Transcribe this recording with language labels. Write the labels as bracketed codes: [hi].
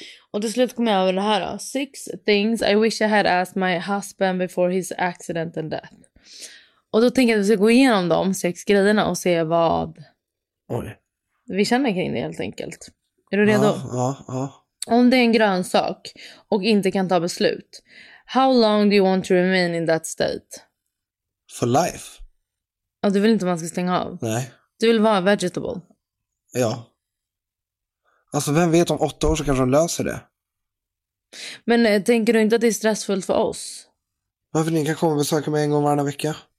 [sv] Och till slut kom jag över det här då. [en] Six things I wish I had asked my husband before his accident and death. [sv] Och då tänkte jag att vi ska gå igenom de sex grejerna och se vad... Oj. Vi känner kring det helt enkelt. Är du redo? Ja. Om det är en grön sak och inte kan ta beslut. [en] How long do you want to remain in that state? For life. [sv] Ja, du vill inte man ska stänga av? Nej. Du vill vara vegetable? Ja. Alltså vem vet, om 8 år så kanske de löser det. Men tänker du inte att det är stressfullt för oss? Varför, ni kan komma och besöka mig en gång varannan vecka?